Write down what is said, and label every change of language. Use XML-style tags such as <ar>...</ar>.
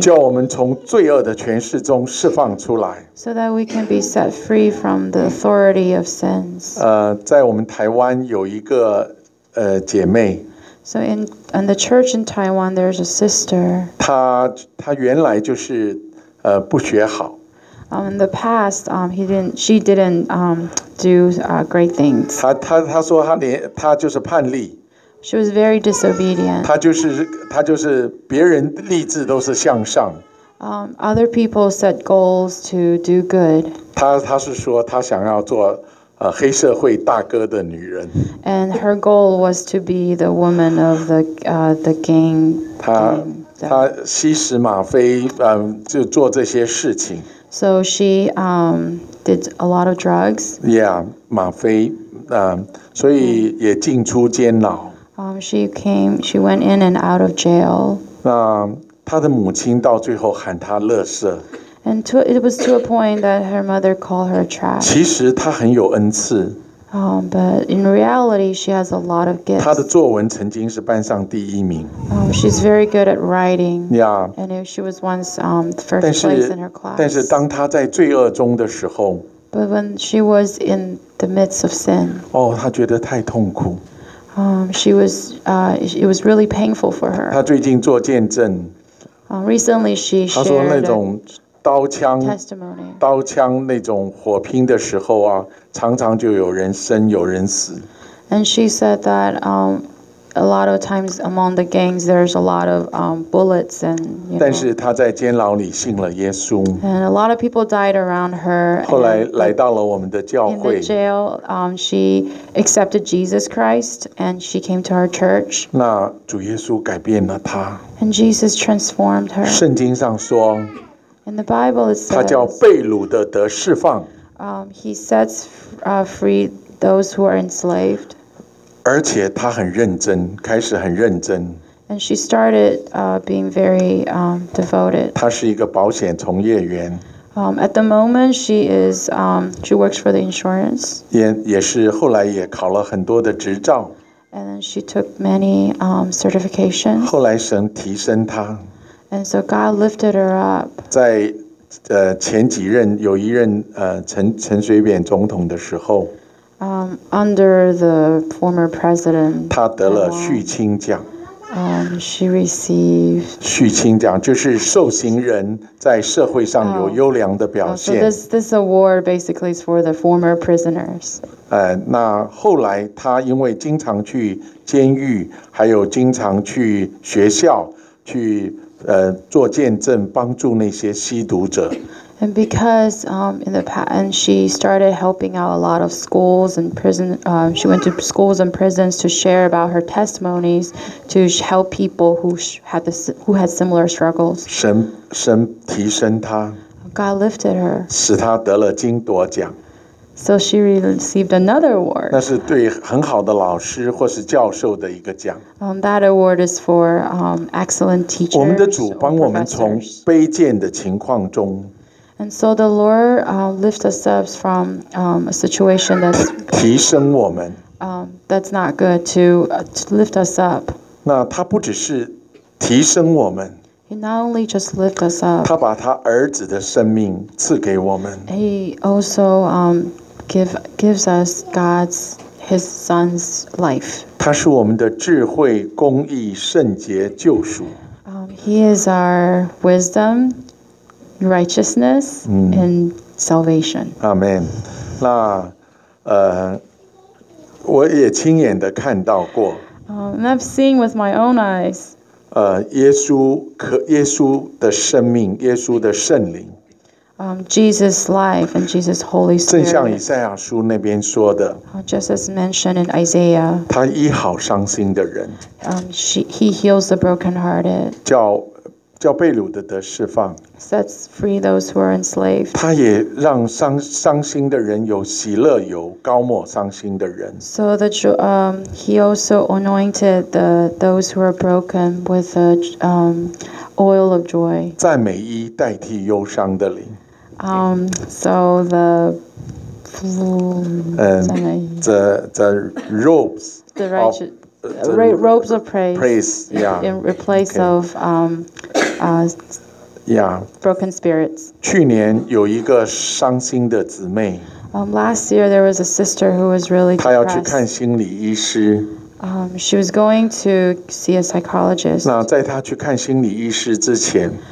<zh>叫我们从罪恶的权势中释放出来。</zh> <en>So that we can be set free from the authority of sins.</en> <zh>在我们台湾有一个姐妹。</zh> <en>So in the church in Taiwan, there's a sister.</en> <zh>她原来就是不学好。</zh> <en>In the past, she didn't do great things.</en> <zh>她说她就是叛逆。</zh> <en>She was very disobedient.</en> <zh>她就是别人立志都是向上。</zh> <en>Other people set goals to do good.</en> <zh>她是说她想要做黑社会大哥的女人。</zh> <en>And her goal was to be the woman of the gang.</en> <zh>她吸食吗啡，就做这些事情。</zh> <en>So she did a lot of drugs.</en> <zh>Yeah, 吗啡，所以也进出监牢。</zh> <en>She went in and out of jail.</en> <zh>那她的母亲到最后喊她垃圾。</zh> <en>And it was to a point that her mother called her trash.</en> <zh>其实她很有恩赐。</zh> <en>But in reality, she has a lot of gifts.</en> <zh>她的作文曾经是班上第一名。</zh> <en>She's very good at writing. Yeah. And she was once first place in her class.</en> <zh>但是当她在罪恶中的时候。</zh> <en>But when she was in the midst of sin.</en> <zh>哦，她觉得太痛苦。</zh> <en>It was really painful for her.</en> <zh>她最近做见证。</zh> <en>Recently, she shared.</en> <zh>她说那种刀枪那种火拼的时候啊，常常就有人生有人死。</zh> <en>And she said that a lot of times among the gangs there's a lot of bullets and.</en> <zh>但是她在监牢里信了耶稣。</zh> <en>And a lot of people died around her.</en> <zh>后来来到了我们的教会。</zh> <en>In the jail, she accepted Jesus Christ and she came to our church.</en> <zh>那主耶稣改变了她。</zh> <en>And Jesus transformed her.</en> <zh>圣经上说。</zh> <en>In the Bible, it says,</en> <zh>他叫被掳的得释放。</zh> <en>He sets free those who are enslaved.</en> <zh>而且他很认真，开始很认真。</zh> <en>And she started being very devoted.</en> <zh>他是一个保险从业员。</zh> <en>At the moment, she works for the insurance.</en> <zh>也是后来也考了很多的执照。</zh> <en>And then she took many certifications.</en> <zh>后来神提升他。</zh> <en>And so God lifted her up.</en> <zh>在前几任有一任陈水扁总统的时候</zh> <en>，under the former president,</en> <zh>她得了恤亲奖。</zh> <en>She received</en> <zh>恤亲奖，就是受刑人在社会上有优良的表现。</zh> <en>So this award basically is for the former prisoners.</en> <zh>那后来她因为经常去监狱，还有经常去学校去。做见证，帮助那些吸毒者。</zh> <en>And because in the past, and she started helping out a lot of schools and prison. She went to schools and prisons to share about her testimonies to help people who had similar struggles.</en> <zh>神提升她。</zh> <en>God lifted her.</en> <zh>使她得了金铎奖。</zh> <en>So she received another award.</en> <zh>那是对很好的老师或是教授的一个奖。</zh> <en>That award is for excellent teachers.</en> <zh>我们的主帮我们从卑贱的情况中。</zh> <en>And so the Lord lifts us up from a situation that's</en> <zh>提升我们。</zh> <en>That's not good to lift us up.</en> <zh>那他不只是提升我们。</zh> <en>He not only just lift us up.</en> <zh>他把他儿子的生命赐给我们。</zh> <en>He also gives us God's His Son's life.</en> <zh>他是我们的智慧、公义、圣洁、救赎。</zh> <en>He is our wisdom, righteousness, and salvation.</en> <zh>Amen. 那我也亲眼的看到过。</zh> <en>And I've seen with my own eyes.</en> <zh>耶稣的生命，耶稣的圣灵。</zh> <en>Jesus' life and Jesus' Holy Spirit.</en> <zh>正像以赛亚书那边说的。</zh> <en>Just as mentioned in Isaiah.</en> <zh>他医好伤心的人。</zh> <en>He heals the brokenhearted.</en> <zh>叫叫被掳的得释放。</zh> <en>Sets free those who are enslaved.</en> <zh>他也让伤心的人有喜乐，有高抹伤心的人。</zh> <en>So the he also anointed those who are broken with the oil of joy.</en> <zh>赞美衣代替忧伤的灵。</zh> <en>So the the ropes the righteous. Robes of praise yeah, in replace、okay. of yeah. broken spirits.</en> <zh>去年有一个伤心的姊妹</zh> <en>Last year there was a sister who was really depressed.</en> <zh>她要去看心理医师</zh> <en>She was going to see a psychologist.</en> <zh>那在她去看心理医师之前</zh>